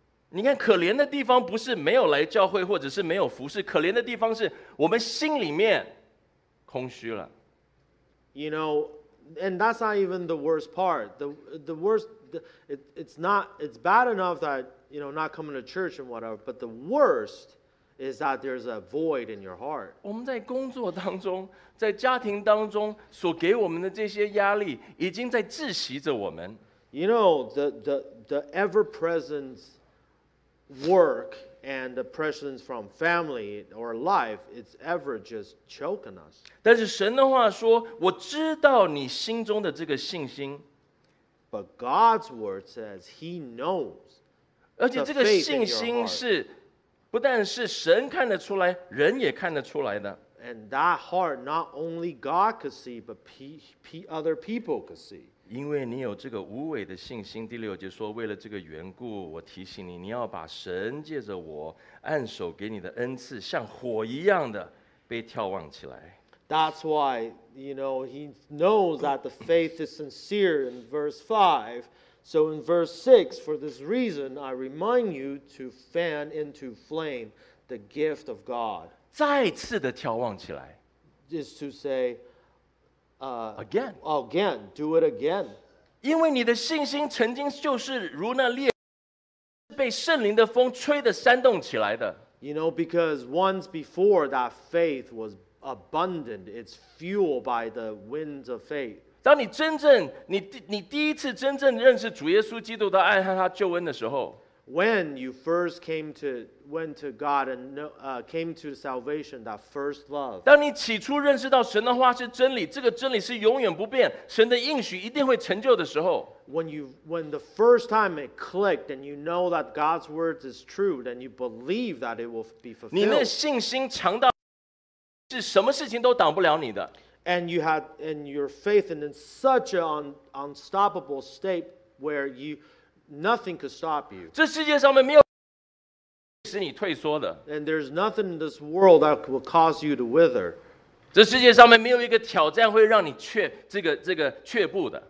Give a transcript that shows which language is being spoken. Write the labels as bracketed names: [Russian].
[Chinese] 你看，可怜的地方不是没有来教会，或者是没有服事。可怜的地方是我们心里面空虚了。 [English] You know, and that's not even the worst part. The worst, it's not. It's bad enough that you know not coming to church and whatever. But the worst is that there's a void in your heart. [Chinese] 我们在工作当中，在家庭当中所给我们的这些压力，已经在窒息着我们。 [English] You know, the ever present work and the pressures from family or life, it's ever just choking us. [Chinese] 但是神的话说，我知道你心中的这个信心。 [English] But God's word says He knows. [Chinese] 而且这个信心是不但是神看得出来，人也看得出来的。 [English] And that heart, not only God could see, but other people could see. [Chinese] 因为你有这个无伪的信心，第六节说，为了这个缘故，我提醒你，你要把神借着我按手给你的恩赐，像火一样的被眺望起来。 [English] That's why, you know, he knows that the faith is sincere in verse 5. So in verse 6, for this reason, I remind you to fan into flame the gift of God. [Chinese] 再次的眺望起来。 [English] Is to say, Again, do it again. [Chinese] 因为你的信心曾经就是如那烈被圣灵的风吹的煽动起来的。 [English] You know, because once before that faith was abundant, it's fueled by the winds of faith. [Chinese] 当你真正你第一次真正认识主耶稣基督的爱和他救恩的时候 [English] ，When you first went to God and came to salvation, that first love. [Chinese] 当你起初认识到神的话是真理，这个真理是永远不变，神的应许一定会成就的时候。 [English] When the first time it clicked and you know that God's word is true, then you believe that it will be fulfilled. [Chinese] 你的信心强到是什么事情都挡不了你的。 [English] And your faith in such an unstoppable state where you nothing could stop you. [Chinese] 这世界上面没有使你退缩的。 [English] And there's nothing in this world that will cause you to wither. [Chinese] 这世界上面没有一个挑战会让你却步的。